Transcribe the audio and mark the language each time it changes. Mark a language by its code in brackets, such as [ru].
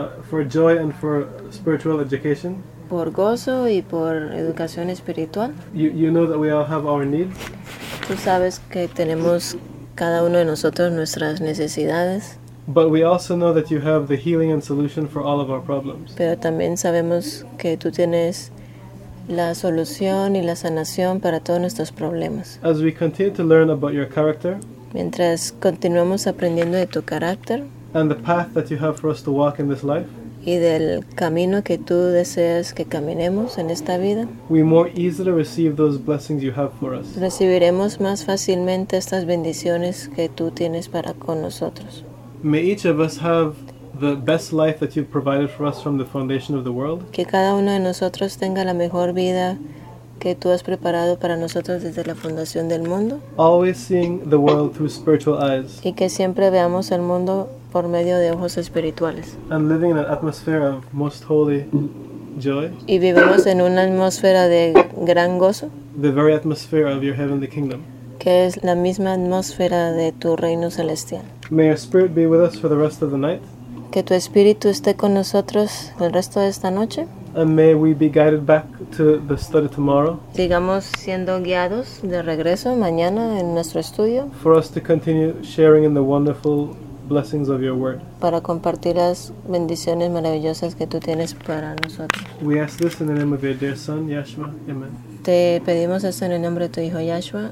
[en] For joy and for spiritual education. [es] Por gozo y por educación espiritual. [en] You know that we all have our needs. [es] Tú sabes que tenemos cada uno de nosotros nuestras necesidades. [en] But we also know that you have the healing and solution for all of our problems. [es] Pero también sabemos que tú tienes la solución y la sanación para todos nuestros problemas. [en] As we continue to learn about your character. [es] Mientras continuamos aprendiendo de tu carácter. [en] And the path that you have for us to walk in this life. [es] Y del camino que tú deseas que caminemos en esta vida. [en] We more easily receive those blessings you have for us. [es] Recibiremos más fácilmente estas bendiciones que tú tienes para con nosotros. [en] May each of us have the best life that you've provided for us from the foundation of the world. [es] Que cada uno de nosotros tenga la mejor vida que tú has preparado para nosotros desde la fundación del mundo. [en] Always seeing the world through spiritual eyes. [es] Y que siempre veamos el mundo por medio de ojos espirituales. [en] And living in an atmosphere of most holy joy. [es] Y vivimos en una atmósfera de gran gozo. [en] The very atmosphere of your heavenly kingdom. [es] Que es la misma atmósfera de tu reino celestial. [en] May your spirit be with us for the rest of the night. [es] Que tu espíritu esté con nosotros el resto de esta noche. [en] And may we be guided back to the study tomorrow. [es] Sigamos siendo guiados de regreso mañana en nuestro estudio. [en] For us to continue sharing in the wonderful blessings of your word. [es] Para compartir las bendiciones maravillosas que tú tienes para nosotros. [en] We ask this in the name of your dear son, Yeshua. Amen. [es] Te pedimos esto en el nombre de tu hijo Yeshua.